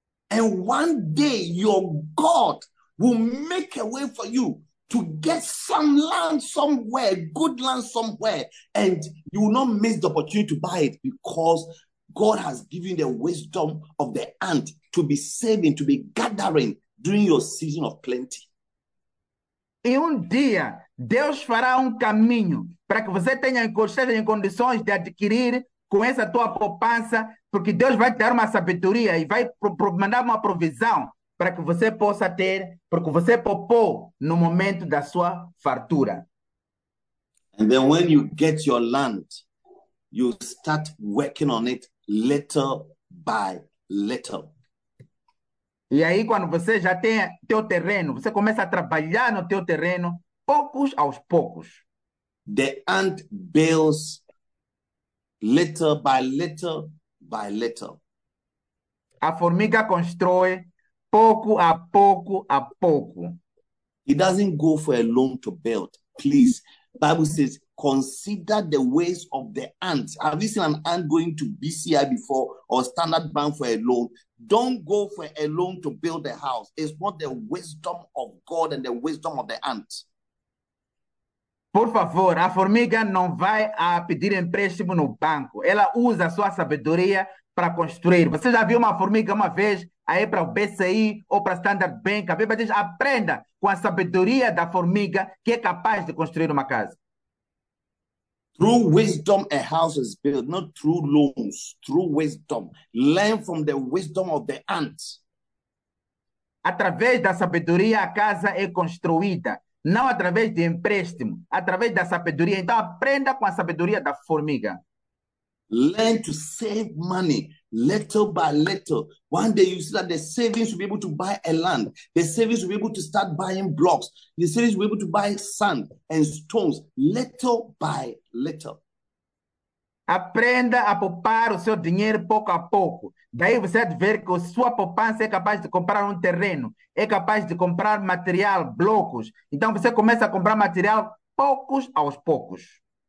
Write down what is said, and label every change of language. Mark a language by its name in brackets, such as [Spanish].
[English] And one day your God will make a way for you to get some land somewhere, good land somewhere, and you will not miss the opportunity to buy it because God has given the wisdom of the ant to be saving, to be gathering during your season of plenty. [Portuguese] E dia, Deus fará caminho para que você tenha condições de adquirir com essa tua poupança, porque Deus vai te dar uma sabedoria e vai mandar uma provisão para que você possa ter, porque você poupou no momento da sua fartura. [English] And then when you get your land, you start working on it little by little. [Portuguese] E aí quando você já tem teu terreno, você começa a trabalhar no teu terreno, poucos aos poucos. [English] The ant builds little by little by little. [Portuguese] A formiga constrói pouco a pouco a pouco. [English] It doesn't go for a loan to build. Please, Bible says, consider the ways of the ants. Have you seen an ant going to BCI before or Standard Bank for a loan? Don't go for a loan to build a house. It's not the wisdom of God and the wisdom of the ant. [Portuguese] Por favor, a formiga não vai a pedir empréstimo no banco. Ela usa sua sabedoria para construir. Você já viu uma formiga uma vez aí para o BCI ou para Standard Bank? A Bíblia diz, aprenda com a sabedoria da formiga que é capaz de construir uma casa. [English] Through wisdom, a house is built, not through loans. Through wisdom. Learn from the wisdom of the ants. [Portuguese] Através da sabedoria, a casa é construída. Não através de empréstimo, através da sabedoria. Então, aprenda com a sabedoria da formiga. [English] Learn to save money little by little. One day you see that the savings will be able to buy a land. The savings will be able to start buying blocks. The savings will be able to buy sand and stones little by little. [Portuguese] Aprenda a poupar o seu dinheiro pouco a pouco. Daí você vai ver que a sua poupança é capaz de comprar terreno, é capaz de comprar material, blocos. Então você começa a comprar material poucos aos poucos.